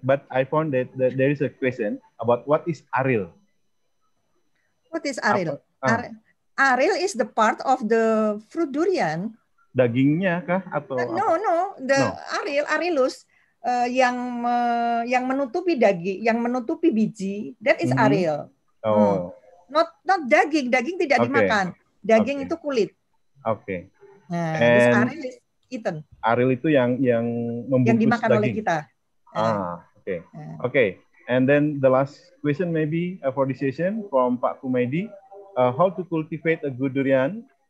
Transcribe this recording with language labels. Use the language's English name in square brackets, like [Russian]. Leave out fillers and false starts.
[English] But I found that, that there is a question about what is aril. What is aril? Aril is the part of the fruit durian. [Indonesian] Dagingnya kah atau? Aril, arilus yang menutupi daging, yang menutupi biji. [English] That is aril. Not daging. [Indonesian] Daging tidak dimakan. Daging itu kulit. [English] Okay. Nah, and aril is eaten. [Indonesian] Aril itu yang membungkus daging. Yang dimakan daging. Oleh kita. [English] Okay. And then the last question maybe for this session from Pak Kumaidi. How to cultivate a good durian?